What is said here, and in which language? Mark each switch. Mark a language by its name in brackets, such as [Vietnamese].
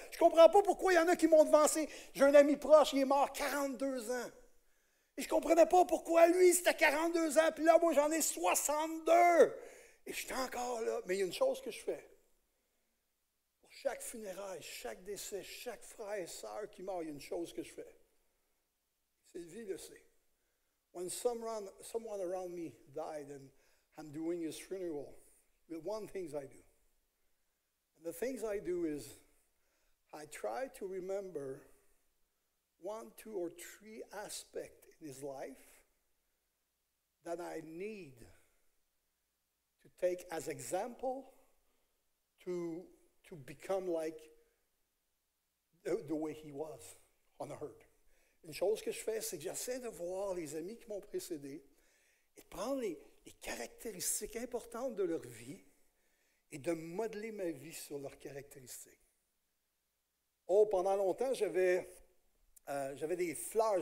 [French] Je comprends pas pourquoi il y en a qui m'ont devancé. J'ai un ami proche, il est mort 42 ans. Et je comprenais pas pourquoi lui, c'était 42 ans, puis là, moi, j'en ai 62. Et je suis encore là. Mais il y a une chose que je fais. Pour chaque funérail, chaque décès, chaque frère et sœur qui meurt, il y a une chose que je fais. Sylvie le sait. [English] When someone around me died and I'm doing his funeral, the one thing I do. And the things I do is I try to remember one, two, or three aspects in his life that I need to take as example to become like the way he was on earth. [French] Une chose que je fais, c'est que j'essaie de voir les amis qui m'ont précédé et de prendre les caractéristiques importantes de leur vie et de modeler ma vie sur leurs caractéristiques. Oh, pendant longtemps, j'avais des fleurs.